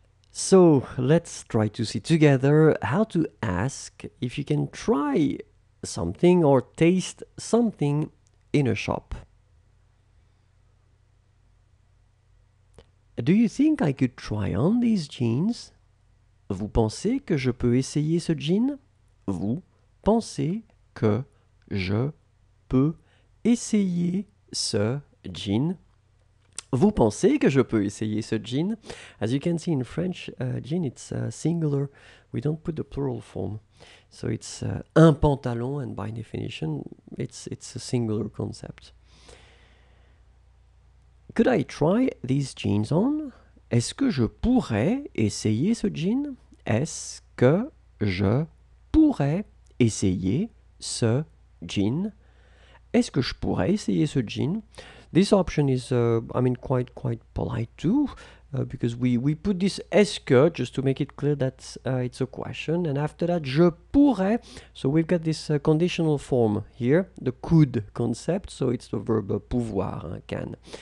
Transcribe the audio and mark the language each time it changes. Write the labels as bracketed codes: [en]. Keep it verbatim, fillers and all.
[en] So let's try to see together how to ask if you can try something or taste something in a shop. Do you think I could try on these jeans? [fr] Vous pensez que je peux essayer ce jean? Vous pensez que je peux essayer ce jean? Vous pensez que je peux essayer ce jean? [en] As you can see in French, uh, jean, it's uh, singular. We don't put the plural form. So it's uh, un pantalon, and by definition, it's, it's a singular concept. Could I try these jeans on? [fr] Est-ce que je pourrais essayer ce jean? Est-ce que je pourrais essayer ce jean? Est-ce que je pourrais essayer ce jean? [en] This option is, uh, I mean, quite quite polite too, uh, because we, we put this est-ce que, just to make it clear that uh, it's a question, and after that, [fr] je pourrais, [en] so we've got this uh, conditional form here, the could concept, so it's the verb uh, pouvoir, hein, can.